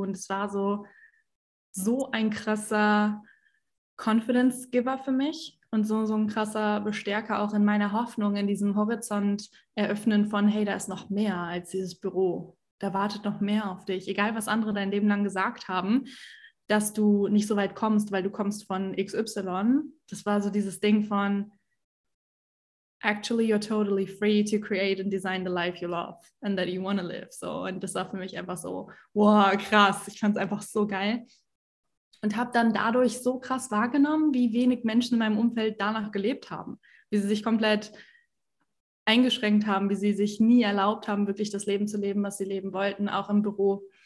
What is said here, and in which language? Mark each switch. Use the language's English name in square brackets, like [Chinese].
[German] Und es war so ein krasser Confidence-Giver für mich und so ein krasser Bestärker auch in meiner Hoffnung, in diesem Horizont eröffnen von, hey, da ist noch mehr als dieses Büro. Da wartet noch mehr auf dich. Egal, was andere dein Leben lang gesagt haben, dass du nicht so weit kommst, weil du kommst von XY. Das war so dieses Ding von, [English] actually, you're totally free to create and design the life you love and that you want to live. [German] So, und das war für mich einfach so, wow, krass. Ich fand es einfach so geil. Und habe dann dadurch so krass wahrgenommen, wie wenig Menschen in meinem Umfeld danach gelebt haben. Wie sie sich komplett eingeschränkt haben, wie sie sich nie erlaubt haben, wirklich das Leben zu leben, was sie leben wollten. Auch im Büro